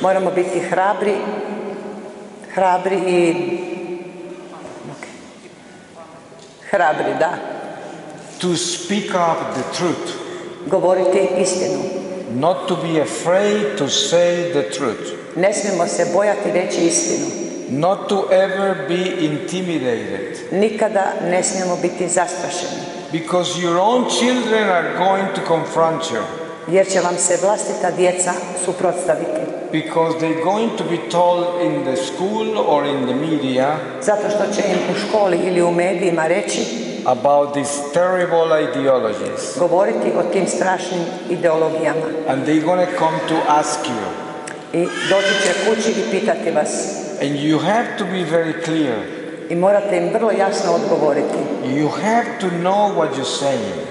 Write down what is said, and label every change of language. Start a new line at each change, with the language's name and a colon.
Croatian: Moramo biti hrabri. Hrabri i hrabri, da.
English: To speak up the truth.
Croatian: Govoriti istinu.
English: Not to be afraid to say the truth.
Croatian: Ne smijemo se bojati reći istinu.
English: Not to ever be intimidated.
Croatian: Nikada ne smijemo biti zastrašeni.
English: Because your own children are going to confront you.
Croatian: Jer će vam se vlastita djeca suprotstaviti.
English: Because they're going to be told in the school or in the media.
Croatian: Zato što će im u školi ili u medijima reći.
English: About these terrible ideologies.
Croatian: Govoriti o tim strašnim ideologijama.
English: And they're going to come to ask you.
Croatian: I doći će kući i pitati vas.
English: And you have to be very clear.
Croatian: I morate im vrlo jasno odgovoriti.
English: You have to know what you're saying.